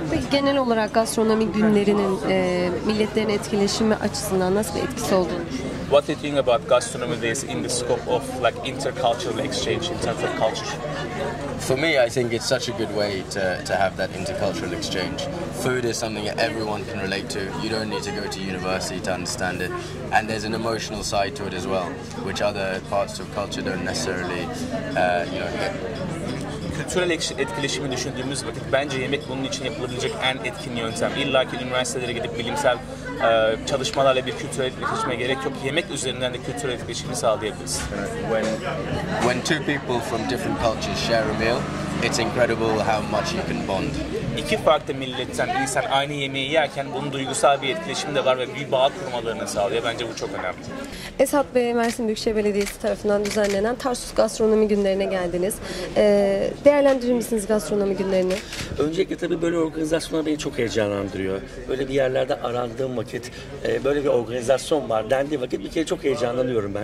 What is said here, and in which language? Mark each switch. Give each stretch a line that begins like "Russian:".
Turkish: Genel olarak gastronomi günlerinin milletlerin etkileşimi açısından nasıl bir etkisi olduğunu düşünüyorsunuz?
English: What do you think about gastronomy days in the scope of like intercultural exchange in terms of culture? For me, I think it's such a good way to have that intercultural exchange. Food is something that everyone can relate to. You don't need to go to university to understand it. And there's an emotional side to it as well, which other parts of culture don't necessarily get.
Turkish: Kültürel etkileşimi düşündüğümüz vakit bence yemek bunun için yapılabilecek en etkin yöntem. İlla ki üniversitelere gidip bilimsel çalışmalarla bir kültürel etkileşime gerek yok. Yemek üzerinden de kültürel etkileşimi sağlayabiliriz.
English: When two people from different cultures share a meal, it's incredible how much you can bond.
Turkish: İki farklı milletten insan aynı yemeği yerken bunun duygusal bir etkileşimi de var ve bir bağ kurmalarını sağlıyor. Bence bu çok önemli. Esat Bey, Mersin Büyükşehir Belediyesi tarafından düzenlenen Tarsus Gastronomi Günleri'ne geldiniz. Değerlendirir misiniz gastronomi günlerini? Öncelikle tabii böyle organizasyonlar beni çok heyecanlandırıyor. Böyle bir yerlerde arandığım vakit, böyle bir organizasyon var dendiği vakit bir kere çok heyecanlanıyorum ben.